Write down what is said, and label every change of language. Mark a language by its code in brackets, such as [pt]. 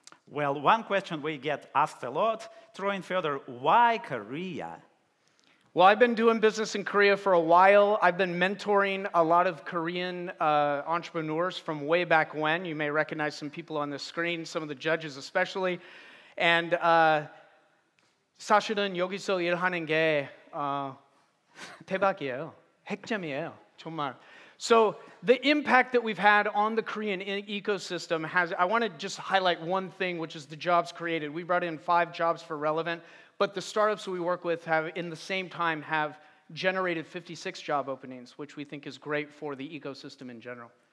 [en] Well, one question we get asked a lot, Troy and Fyodor, why Korea? Well, I've been doing business in Korea for a while. I've been mentoring a lot of Korean entrepreneurs from way back when. You may recognize some people on the screen, some of the judges especially. [ko] And 사실은 여기서 일하는 게 대박이에요. 핵잼이에요. 정말. [en] So the impact that we've had on the Korean ecosystem has, I want to just highlight one thing, which is the jobs created. We brought in 5 jobs for Relevant, but the startups we work with have, in the same time, have generated 56 job openings, which we think is great for the ecosystem in general.